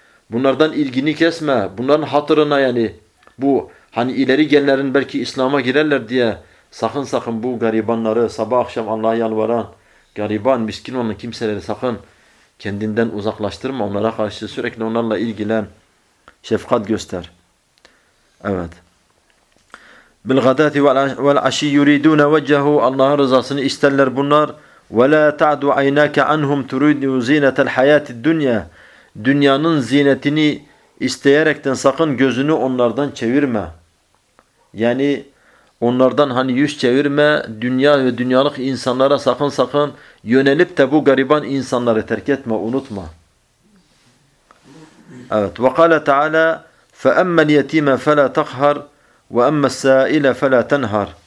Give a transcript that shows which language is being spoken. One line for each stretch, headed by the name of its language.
Turkish: Bunlardan ilgini kesme. Bunların hatırına yani bu hani ileri gelenlerin belki İslam'a girerler diye sakın sakın bu garibanları sabah akşam Allah'a yalvaran gariban, miskin olan kimseleri sakın kendinden uzaklaştırma. Onlara karşı sürekli onlarla ilgilen. Şefkat göster. Evet.
Arabic: بِالْغَدَاتِ وَالْعَشِي يُرِيدُونَ وَجَّهُ
Turkish: Allah'ın rızasını isterler bunlar.
Arabic: وَلَا تَعْدُ عَيْنَاكَ عَنْهُمْ تُرِيدُوا زِينَةَ الْحَيَاتِ الدُّنْيَا
Turkish: Dünyanın ziynetini isteyerekten sakın gözünü onlardan çevirme. Yani onlardan hani yüz çevirme, dünya ve dünyalık insanlara sakın sakın yönelip de bu gariban insanları terk etme, unutma.
Arabic: Evet. وَقَالَ تَعَالَى فَأَمَّ الْيَتِيمَ فَلَا تَقْهَرْ وَأَمَّ السَّائِلَ فَلَا تَنْهَرْ.